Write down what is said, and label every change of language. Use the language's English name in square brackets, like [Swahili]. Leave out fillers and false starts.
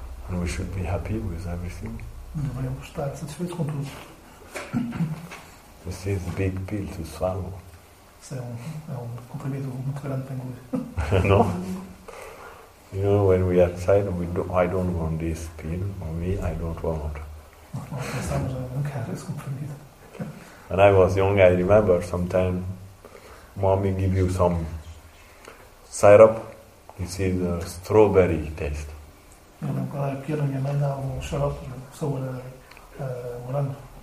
[English] And we should be happy with everything. [Portuguese] Devemos estar satisfeitos com tudo. [English] This is a big pill to swallow. [Portuguese] É um comprimido muito grande para engolir. [English] No? You know, when we are excited, I don't want this pill. For me, I don't want. [Portuguese] Nós pensamos, não quero esse comprimido. [English] When I was young, I remember sometimes mommy give you some syrup. This is a strawberry taste. [Portuguese] Eu lembro quando era pequeno, minha mãe dava um xarope sobre morango.